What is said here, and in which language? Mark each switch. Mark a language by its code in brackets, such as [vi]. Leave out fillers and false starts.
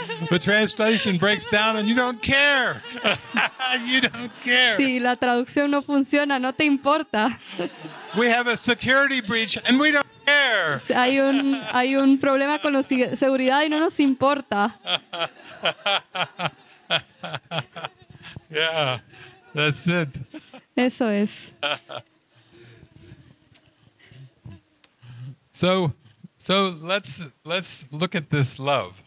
[en] The translation breaks down and you don't care. You don't care. [es] Sí, la traducción no funciona, no te importa. [en] We have a security breach and we don't care. [es] Hay un problema con la seguridad y no nos importa. [en] Yeah, that's it. [es] Eso es. [en] So let's look at this love.